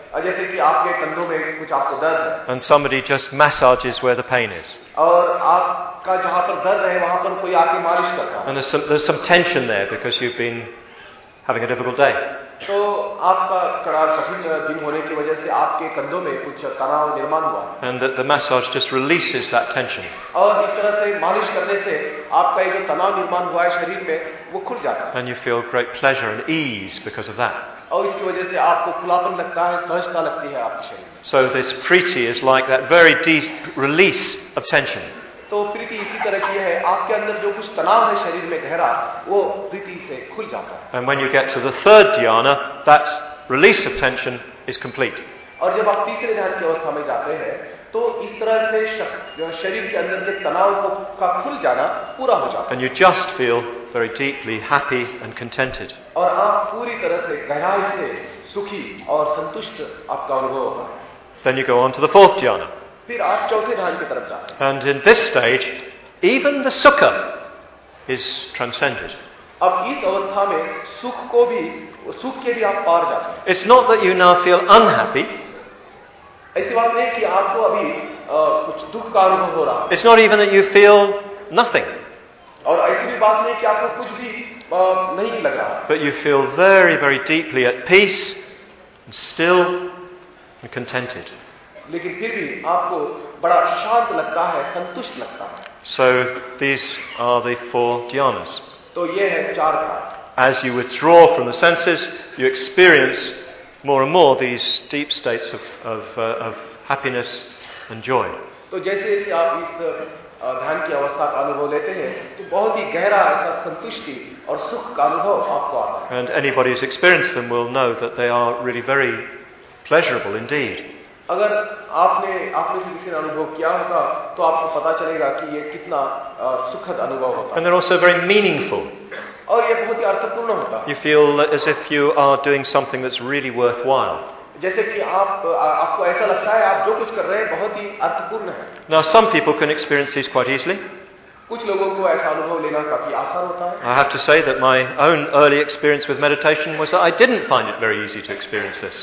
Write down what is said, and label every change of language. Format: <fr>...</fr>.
<hi>जैसे कि आपके कंधों में कुछ आपको दर्द है.</hi> <en>And somebody just massages where the pain is.</en> <hi>और आपका जहां पर दर्द है वहां पर कोई आपकी मालिश करता है.</hi> <en>And there's some tension there because you've been having a difficult day.</en> <hi>तो आपका कड़ा कठिन दिन होने की वजह से आपके कंधों में कुछ तनाव निर्माण हुआ.</hi> <en>And the massage just releases that tension.</en> <hi>और इस तरह से मालिश करने से आपका ये जो तनाव निर्माण हुआ है शरीर में वो खुल जाता है.</hi> <en>And you feel great pleasure and ease because of that.</en> <hi>और इसकी वजह से आपको खुलापन लगता है सहजता लगती है आपके शरीर में.</hi> <en>So this priti is like that very deep release of tension.</en> <hi>तो प्रीति इसी तरह की है आपके अंदर जो कुछ तनाव है शरीर में गहरा वो प्रीति से खुल जाता है.</hi> <en>And when you get to the third dhyana, that release of tension is complete.</en> <hi>और जब आप तीसरे ध्यान की अवस्था में जाते हैं तो इस तरह से शरीर के अंदर के तनाव का खुल जाना पूरा हो जाता है.</hi> <en>And you just feel very deeply happy and contented.</en> <hi>और आप पूरी तरह से गहराई से सुखी और संतुष्ट आपका अनुभव होगा.</hi> <en>Then you go on to the fourth dhyana.</en> <hi>फिर आप चौथे ध्यान की तरफ जाते हैं.</hi> <en>And in this stage, even the sukha is transcended.</en> <hi>अब इस अवस्था में सुख को भी सुख के भी आप पार जाते हैं.</hi> <en>It's not that you now feel unhappy.</en> <hi>ऐसी बात नहीं कि आपको अभी कुछ दुख का अनुभव हो रहा है.</hi> <en>It's not even that you feel nothing.</en> <hi>और ऐसी भी बात नहीं कि आपको कुछ भी नहीं लग रहा.</hi> <en>But you feel very, very deeply at peace, and still and contented.</en> <hi>लेकिन फिर भी आपको बड़ा शांत लगता है संतुष्ट लगता है.</hi> <en>So these are the four dhyanas.</en> <hi>तो ये है चार ध्यान.</hi> <en>As you withdraw from the senses, you experience more and more these deep states of happiness and joy.</en> <hi>तो जैसे जैसे आप इस ध्यान की अवस्था का अनुभव लेते हैं तो बहुत ही गहरा ऐसा संतुष्टि और सुख का अनुभव आपको आता है.</hi> <en>And anybody who's experienced them will know that they are really very pleasurable indeed.</en> <hi>अगर आपने किसी ने अनुभव किया होगा तो आपको पता चलेगा कि ये कितना सुखद अनुभव होता है.</hi> <en>And they're also very meaningful.</en> <hi>और ये बहुत ही अर्थपूर्ण होता है.</hi> <en>You feel as if you are doing something that's really worthwhile.</en> <hi>जैसे कि आपको ऐसा लगता है आप जो कुछ कर रहे हैं बहुत ही अर्थपूर्ण है.</hi> <en>Now some people can experience these quite easily.</en> <hi>कुछ लोगों को ऐसा अनुभव लेना काफी आसान होता है.</hi> <en>I have to say that my own early experience with meditation was that I didn't find it very easy to experience this.</en>